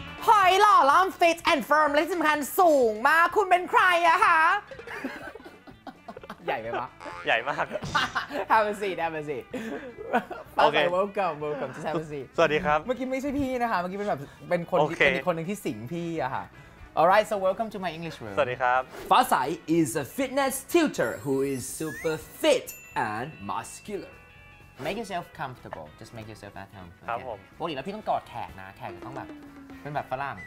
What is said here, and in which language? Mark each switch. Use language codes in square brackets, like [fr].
[th] หอยหล่อล่ำฟิตแอนด์เฟิร์มและที่สำคัญสูงมากคุณเป็นใครอะคะใหญ่ไหมวะ ใหญ่มาก [en] Have a seat Have a seat โอเค Welcome to Have a seat [th] สวัสดีครับ เมื่อกี้ไม่ใช่พี่นะคะเมื่อกี้เป็นแบบเป็นคนที่เป็นคนหนึ่งที่สิงพี่อะค่ะ [en] Alright so welcome to my English room [th] สวัสดีครับ [en] ฟ้าใส is a fitness tutor who is super fit and muscular Make yourself comfortable. Just make yourself at home. [th] ครับผม ปกติแล้วพี่ต้องกอดแขกนะแขกต้องแบบเป็นแบบฝรั่ง